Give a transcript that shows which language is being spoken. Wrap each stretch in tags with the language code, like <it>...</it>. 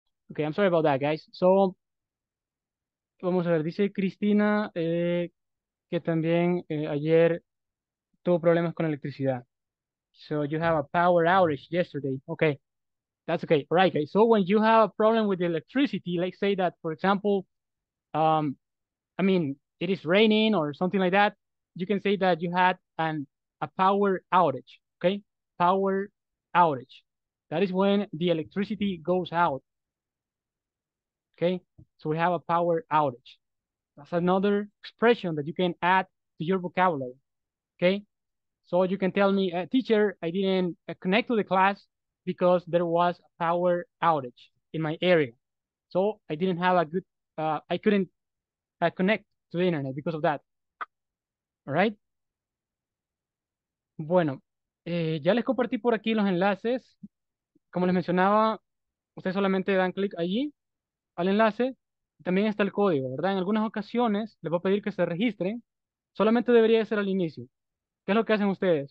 <en>Okay, I'm sorry about that, guys.</en> <es>So, vamos a ver, dice Cristina que también ayer tuvo problemas con electricidad.</es> <en>So, you have a power outage yesterday. Okay, that's okay. All right, guys. So, when you have a problem with electricity, like say that, for example, it is raining or something like that, you can say that you had a power outage. Okay, power outage. That is when the electricity goes out. Okay, so we have a power outage. That's another expression that you can add to your vocabulary. Okay, so you can tell me, teacher, I didn't connect to the class because there was a power outage in my area. So I didn't have a good, I couldn't connect to the internet because of that. All right.</en> <es>Bueno, ya les compartí por aquí los enlaces. Como les mencionaba, ustedes solamente dan clic allí al enlace, también está el código, ¿verdad? En algunas ocasiones, les voy a pedir que se registren, solamente debería ser al inicio. ¿Qué es lo que hacen ustedes?</es>